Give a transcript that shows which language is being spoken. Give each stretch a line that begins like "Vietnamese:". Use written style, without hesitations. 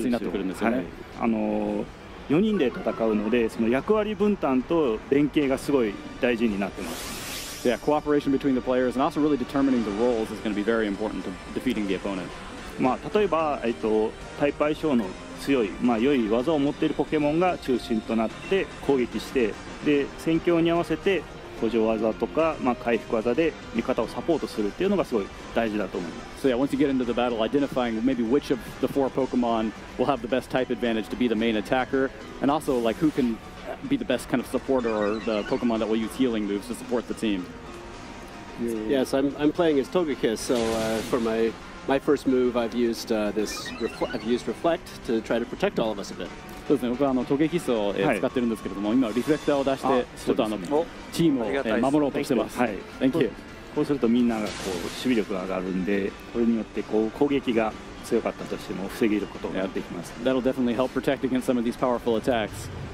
Japanese: 4人で戦うので、その役割分担と連携がすごい大事になってます。
English: Yeah, cooperation between the players and also really determining the roles is going to be very important to defeating the opponent.
Japanese: まあ、例えば、タイプ相性の強い、まあ、良い技を持っているポケモンが中心となって攻撃して、で、戦況に合わせて補助技とか、まあ、回復技で味方をサポートするっていうのがすごい大事だと思います。
English: So yeah, once you get into the battle, identifying maybe which of the four Pokemon will have the best type advantage to be the main attacker, and also like who can be the best kind of supporter or the Pokemon that will use healing moves to support the team. Yes, I'm playing as Togekiss, so for my first move, I've used Reflect to try to protect all of us a bit.
Japanese: そうですね、僕はトゲキスを使ってるんですけれども、はい、今リフレクターを出してちょっとチームを守ろうとしてます。はい、
English: Thank you。
Japanese: こうするとみんながこう守備力が上がるんで、これによってこう攻撃が強かったとしても防げることがやってきます。
English: That'll definitely help protect against some of these powerful attacks.